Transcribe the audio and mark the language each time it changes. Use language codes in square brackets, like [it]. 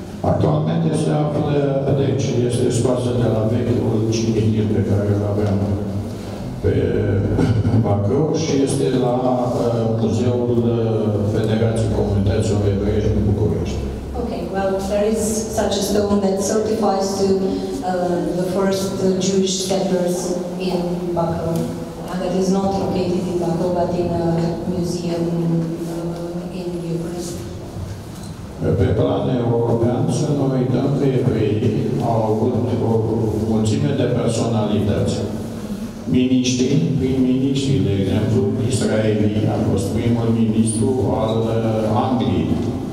[ro] Actualmente se află, deci este scoasă de la vechiul cimitir pe care îl aveam pe Bacău și este la Muzeul Federației Comunităților Evreiești din București. [en] Ok, well, there is such a stone that certifies to the first Jewish settlers in Bacău, and that is not located in Bacău, but in a museum in Bucharest. [ro] Pe plan european, să nu uităm că evreii au avut o mulțime de personalități. Miniștri, prin miniștri, de exemplu, israelii a fost primul ministru al Angliei.